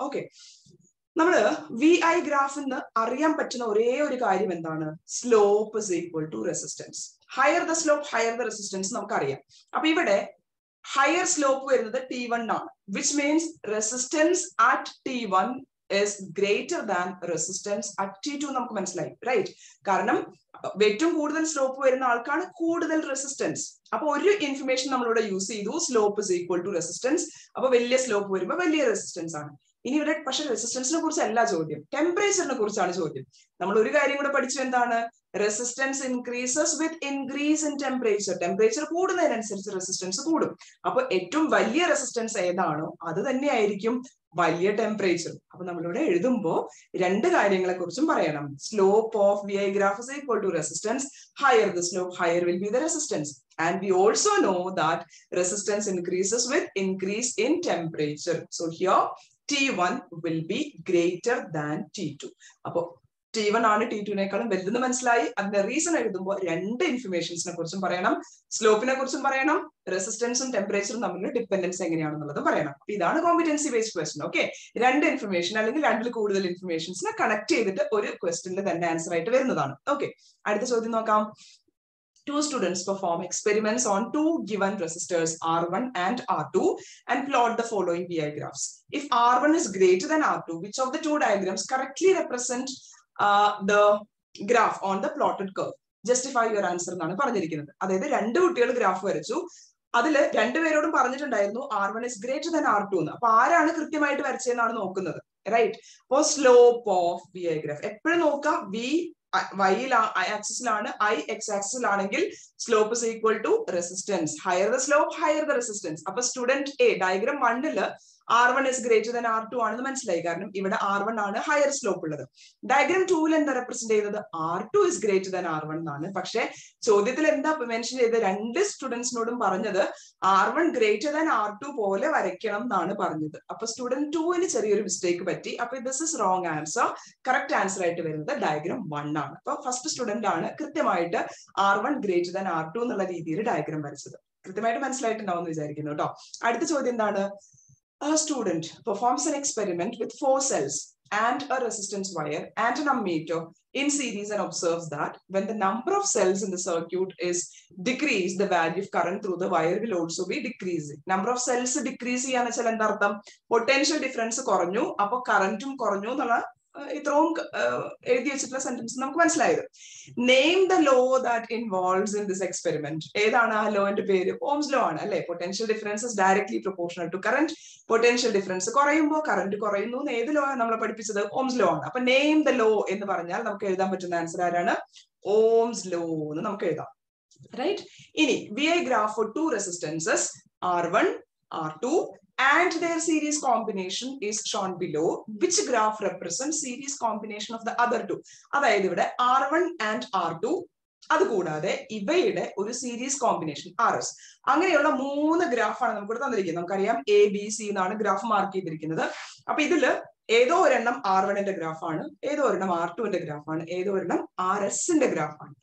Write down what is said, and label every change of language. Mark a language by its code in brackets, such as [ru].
[ml] Okay, നമ്മൾ V I graph എന്ന് അറിയാൻ പറ്റുന്ന ഒരേ ഒരു കാര്യം എന്താണ്? [en] Slope is equal to resistance. Higher the slope, higher the resistance [ml] നമുക്കറിയാം. അപ്പൊ ഇവിടെ ഹയർ സ്ലോപ്പ് വരുന്നത് ടി വൺ ആണ്, [en] Which means resistance at T one is greater than resistance at T2. [ml] നമുക്ക് മനസ്സിലായി റൈറ്റ്. കാരണം ഏറ്റവും കൂടുതൽ സ്ലോപ്പ് വരുന്ന ആൾക്കാണ് കൂടുതൽ റെസിസ്റ്റൻസ്. അപ്പൊ ഒരു ഇൻഫർമേഷൻ നമ്മളിവിടെ യൂസ് ചെയ്തു, [en] Slope is equal to resistance. [ml] അപ്പൊ വലിയ സ്ലോപ്പ് വരുമ്പോൾ വലിയ റെസിസ്റ്റൻസ് ആണ്. ഇനി ഇവിടെ പക്ഷെ റെസിസ്റ്റൻസിനെ കുറിച്ച് അല്ല ചോദ്യം, ടെമ്പറേച്ചറിനെ കുറിച്ചാണ് ചോദ്യം. നമ്മൾ ഒരു കാര്യം കൂടെ പഠിച്ചു, എന്താണ്? [en] Resistance increases with increase in temperature. [ml] Temperature കൂടുന്നതിനനുസരിച്ച് റെസിസ്റ്റൻസ് കൂടും. അപ്പൊ ഏറ്റവും വലിയ റെസിസ്റ്റൻസ് ഏതാണോ അത് തന്നെയായിരിക്കും വലിയ ടെമ്പറേച്ചർ. അപ്പൊ നമ്മളിവിടെ എഴുതുമ്പോൾ രണ്ട് കാര്യങ്ങളെ കുറിച്ചും പറയണം. [en] Slope of V I graph is equal to resistance. Higher the slope, higher will be the resistance. And we also know that resistance increases with increase in temperature. So here T1 will be greater than T2. [ml] അപ്പൊ T1 ആണ് T2 നേക്കാളും വലുതെന്ന് മനസ്സിലായി. അതിന്റെ reason എഴുതുമ്പോൾ രണ്ട് ഇൻഫർമേഷൻസിനെ കുറിച്ചും പറയണം, സ്ലോപ്പിനെ കുറിച്ചും പറയണം, റെസിസ്റ്റൻസും ടെമ്പറേച്ചറും തമ്മിൽ ഡിപ്പെൻഡൻസ് എങ്ങനെയാണെന്നുള്ളതും പറയണം. അപ്പൊ ഇതാണ് കോമ്പിറ്റൻസി ബേസ്ഡ് ക്വസ്റ്റൻ. ഓക്കെ, രണ്ട് ഇൻഫർമേഷൻ അല്ലെങ്കിൽ രണ്ടിൽ കൂടുതൽ ഇൻഫർമേഷൻസിനെ കണക്ട് ചെയ്തിട്ട് ഒരു ക്വസ്റ്റനിൽ തന്നെ ആൻസർ ആയിട്ട് വരുന്നതാണ്. ഓക്കെ, അടുത്ത ചോദ്യം നോക്കാം. [en] Two students perform experiments on two given resistors R1 and R2 and plot the following VI graphs. If R1 is greater than R2, which of the two diagrams correctly represent the graph on the plotted curve? Justify your answer. [ml] എന്നാണ് പറഞ്ഞിരിക്കുന്നത്. അതായത് രണ്ട് കുട്ടികൾ graph വരച്ചു, അതിൽ രണ്ടുപേരോടും പറഞ്ഞിട്ടുണ്ടായിരുന്നു [en] R1 is greater than R2 [ml] എന്ന്. അപ്പൊ ആരാണ് കൃത്യമായിട്ട് വരച്ചതെന്നാണ് നോക്കുന്നത്, റൈറ്റ്? അപ്പോ സ്ലോപ്പ് ഓഫ് VI ഗ്രാഫ് എപ്പോഴും നോക്കാം. V വൈയിൽ ആക്സിസിലാണ്, I X ആക്സിസിലാണെങ്കിൽ [en] Slope is equal to resistance. Higher the slope, higher the resistance. [ml] അപ്പൊ സ്റ്റുഡന്റ് എ ഡയഗ്രാം വണ്ണിൽ R one is greater than R to ആണെന്ന് മനസ്സിലായി, കാരണം ഇവിടെ ആർ വൺ ആണ് ഹയർ സ്ലോപ്പ് ഉള്ളത്. ഡയഗ്രാം ടൂവിൽ എന്താ റെപ്രസെന്റ് ചെയ്തത്? [en] R two is greater than R one [ml] എന്നാണ്. പക്ഷെ ചോദ്യത്തിൽ എന്താ മെൻഷൻ ചെയ്തത്? രണ്ട് സ്റ്റുഡൻസിനോടും പറഞ്ഞത് R one greater than R to പോലെ വരയ്ക്കണം എന്നാണ് പറഞ്ഞത്. അപ്പൊ സ്റ്റുഡന്റ് ടൂവിന് ചെറിയൊരു മിസ്റ്റേക്ക് പറ്റി. അപ്പൊ [en] This is wrong answer. [ml] Correct answer ആയിട്ട് വരുന്നത് ഡയഗ്രാം വൺ ആണ്. അപ്പൊ ഫസ്റ്റ് സ്റ്റുഡന്റ് ആണ് കൃത്യമായിട്ട് R one greater than R to എന്നുള്ള രീതിയിൽ ഡയഗ്രാം വരച്ചത്. കൃത്യമായിട്ട് മനസ്സിലായിട്ടുണ്ടാവും എന്ന് വിചാരിക്കുന്നു കേട്ടോ. അടുത്ത ചോദ്യം എന്താണ്? [en] A student performs an experiment with four cells and a resistance wire and an ammeter in series and observes that when the number of cells in the circuit is decreased, the value of current through the wire will also be decreasing. [ml] Number of cells decrease ചെയ്യാന്ന് വെച്ചാൽ എന്താ അർത്ഥം? Potential difference കുറഞ്ഞു, അപ്പൊ കറന്റും കുറഞ്ഞു എന്നുള്ള ഇത്രയും എഴുതി വെച്ചിട്ടുള്ള സെന്റൻസ് നമുക്ക് മനസ്സിലായത്. [en] Name the law that involves in this experiment. [ml] ഏതാണ് ആ ലോന്റെ പേര്? ഓംസ് ലോ ആണ് അല്ലെ. [en] Potential difference is directly proportional to current. [ml] Potential difference കുറയുമ്പോൾ കറന്റ് കുറയുന്നു എന്ന് ഏത് ലോ ആണ് നമ്മളെ പഠിപ്പിച്ചത്? ഓംസ് ലോ ആണ്. അപ്പൊ നെയിം ദ ലോ എന്ന് പറഞ്ഞാൽ നമുക്ക് എഴുതാൻ പറ്റുന്ന ആൻസർ ആരാണ്? ഓംസ് ലോ എന്ന് നമുക്ക് എഴുതാം, റൈറ്റ്? [en] ഇനി V I graph for two resistances R one R two and their series combination is shown below. Which graph represents series combination of the other two? [ml] അതായത് ഇവിടെ R1 and R2, അതുകൂടാതെ ഇവയുടെ ഒരു series combination RS. അങ്ങനെയുള്ള മൂന്ന് ഗ്രാഫാണ് നമുക്ക് ഇവിടെ തന്നിരിക്കുന്നത്. നമുക്കറിയാം എ ബി സി എന്നാണ് ഗ്രാഫ് മാർക്ക് ചെയ്തിരിക്കുന്നത്. അപ്പൊ ഇതിൽ ഏതോ ഒരെണ്ണം ആർ വണ്ണിന്റെ ഗ്രാഫാണ്, ഏതോ ഒരെണ്ണം ആർ ടുവിന്റെ ഗ്രാഫാണ്, ഏതോ ഒരെണ്ണം ആർ എസിന്റെ ഗ്രാഫാണ്.